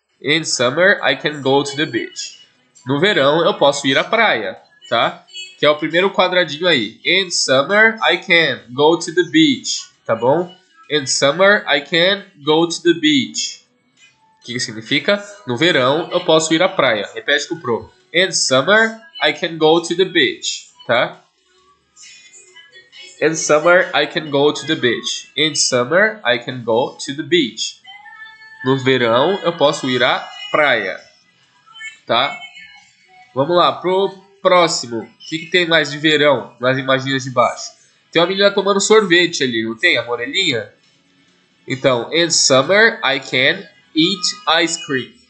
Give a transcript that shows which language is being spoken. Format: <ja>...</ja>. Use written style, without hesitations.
<en>In summer, I can go to the beach.</en> <pt>No verão, eu posso ir à praia, tá? Que é o primeiro quadradinho aí.</pt> <en>In summer, I can go to the beach, tá bom? In summer, I can go to the beach.</en> <pt>O que significa? No verão, eu posso ir à praia. Repete com o pro.</pt> <en>In summer, I can go to the beach,</en> <pt>tá?</pt> <en>In summer, I can go to the beach. In summer, I can go to the beach.</en> <pt>No verão, eu posso ir à praia, tá? Vamos lá, pro próximo. O que tem mais de verão nas imagens de baixo? Tem uma menina tomando sorvete ali, não tem, a morelinha?</pt> <en>Então, in summer, I can eat ice cream.</en>